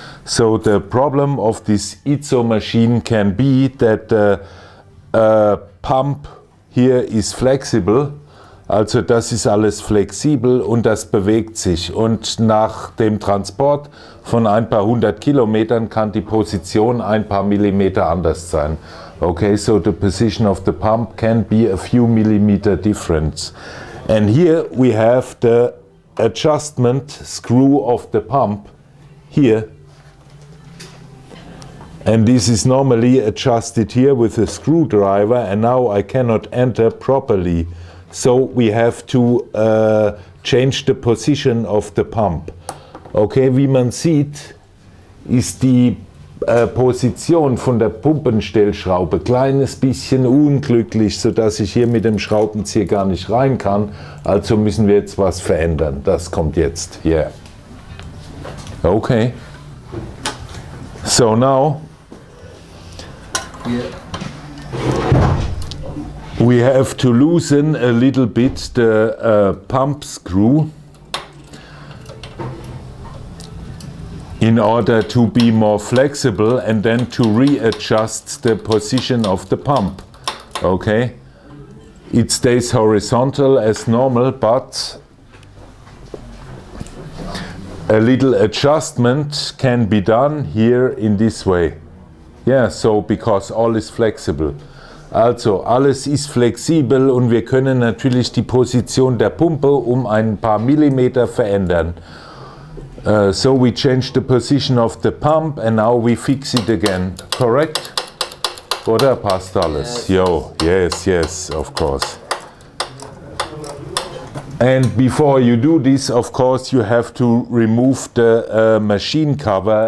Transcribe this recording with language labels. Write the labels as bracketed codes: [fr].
[en] So the problem of this ITSO machine can be that the pump here is flexible. [de] Also das ist alles flexibel und das bewegt sich. Und nach dem Transport von ein paar hundert Kilometern kann die Position ein paar Millimeter anders sein. [en] Okay, so the position of the pump can be a few millimeter difference. And here we have the adjustment screw of the pump here. And this is normally adjusted here with a screwdriver, and now I cannot enter properly. So we have to change the position of the pump. [de] Okay, wie man sieht, ist die Position von der Pumpenstellschraube kleines bisschen unglücklich, sodass ich hier mit dem Schraubenzieher gar nicht rein kann. Also müssen wir jetzt was verändern. Das kommt jetzt. [en] Yeah. Okay. So now. We have to loosen a little bit the pump screw in order to be more flexible and then to readjust the position of the pump. Okay, it stays horizontal as normal, but a little adjustment can be done here in this way. Yeah, so because all is flexible. [de] Also, alles ist flexibel und wir können natürlich die Position der Pumpe um ein paar Millimeter verändern. [en] So we change the position of the pump and now we fix it again. Correct? [de] Oder passt alles? [en] Yo, yes, yes, of course. And before you do this, of course, you have to remove the machine cover.